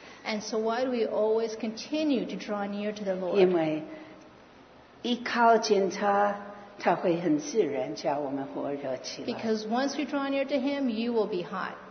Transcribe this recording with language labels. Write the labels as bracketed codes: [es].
[en] ？And so why do we always continue to draw near to the Lord？ [zh] 因为一靠近他，他会很自然叫我们火热起来。 [en] Because once we draw near to Him, you will be hot.